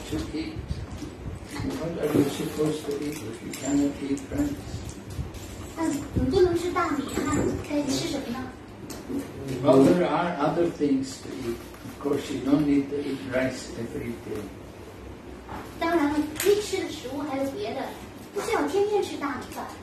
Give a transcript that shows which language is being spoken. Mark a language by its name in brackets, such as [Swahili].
[English] to eat? What are you supposed to eat if you cannot eat rice? [Chinese] 但你不能吃大米，那可以吃什么呢？ [English] Well, there are other things to eat. Of course, you don't need to eat rice every day. [Chinese] 当然了，可以吃的食物还有别的，不需要天天吃大米饭。